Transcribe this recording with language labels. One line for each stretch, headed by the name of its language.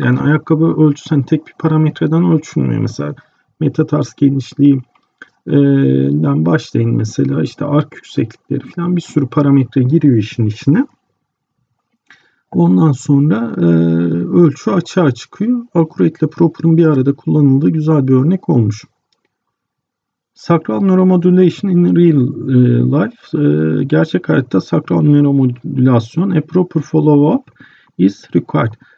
Turkish: Yani ayakkabı ölçüsü hani tek bir parametreden ölçülmüyor. Mesela metatars genişliğinden başlayın mesela işte ark yükseklikleri falan bir sürü parametre giriyor işin içine. Ondan sonra ölçü açığa çıkıyor. Accurate'le proper'ın bir arada kullanıldığı güzel bir örnek olmuş.
English: Sacral neuromodulation in real life.
Turkish: Gerçek hayatta sacral neuromodülasyon.
English: A proper follow-up is required.